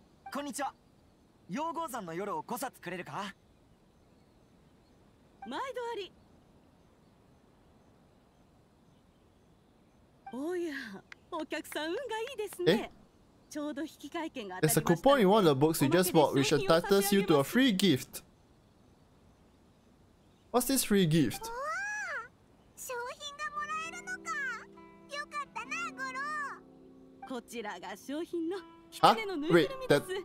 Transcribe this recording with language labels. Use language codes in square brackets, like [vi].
[ja] こんにちは。陽光山の夜を5冊くれるか？毎度あり。おや、お客さん運がいいですね。ちょうど引き換え券が当たりました。 [en] It's a coupon in one of the books you just bought, which entitles you to a free gift. What's this free gift? [ja] わあ、商品がもらえるのか。よかったな、ゴロ。こちらが商品の引き換えのぬいぐるみです。